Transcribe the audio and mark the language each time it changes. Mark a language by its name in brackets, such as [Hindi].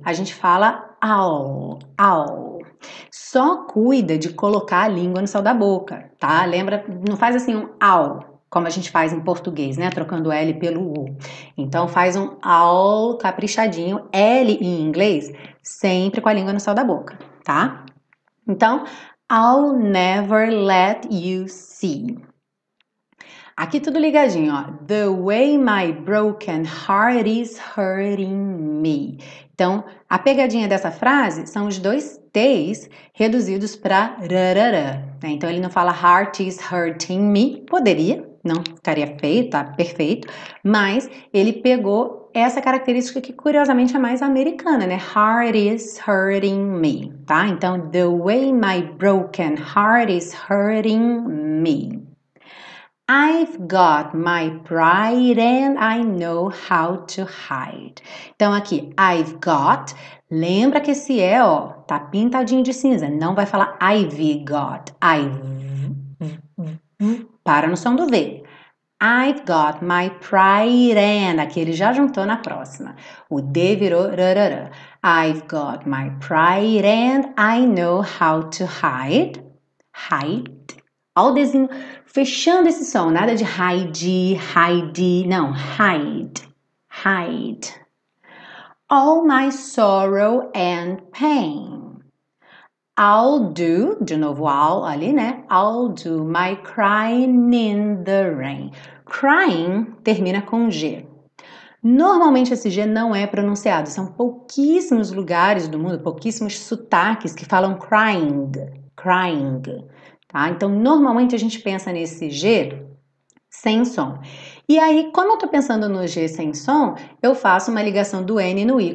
[Portuguese] A gente fala [English] I'll, I'll. [Portuguese] Só cuida de colocar a língua no céu da boca, tá? Lembra, não faz assim um I'll, como a gente faz em português, né? Trocando o L pelo U. Então faz um I'll caprichadinho, L em inglês, sempre com a língua no céu da boca. Tá? [English] Então, I'll never let you see. [Portuguese] Aqui tudo ligadinho, ó. [English] The way my broken heart is hurting me. [Portuguese] Então, a pegadinha dessa frase são os dois T's reduzidos para rarara, né? Então, ele não fala [English] heart is hurting me. [Portuguese] Poderia, não ficaria feio, tá perfeito. Mas ele pegou essa característica que, curiosamente, é mais americana, né? [English] Heart is hurting me, tá? Então, the way my broken heart is hurting me. I've got my pride and I know how to hide. [Portuguese] Então, aqui, [English] I've got. [Portuguese] Lembra que esse é, ó, tá pintadinho de cinza. Não vai falar [English] I've got. [Portuguese] Para no som do V. [English] I've got my pride and. [Portuguese] Aqui ele já juntou na próxima. O D virou rarara. [English] I've got my pride and I know how to hide. Hide. [Portuguese] Olha o desenho fechando esse som, nada de [English] hide, hide, [Portuguese] não, hide, hide. [English] All my sorrow and pain. I'll do, [Portuguese] de novo, I'll ali, né? [English] I'll do my crying in the rain. [Portuguese] Crying termina com G. Normalmente esse G não é pronunciado, são pouquíssimos lugares do mundo, pouquíssimos sotaques que falam [English] crying, crying. [Portuguese] Ah, então, normalmente a gente pensa nesse G sem som. E aí, como eu tô pensando no G sem som, eu faço uma ligação do N no I.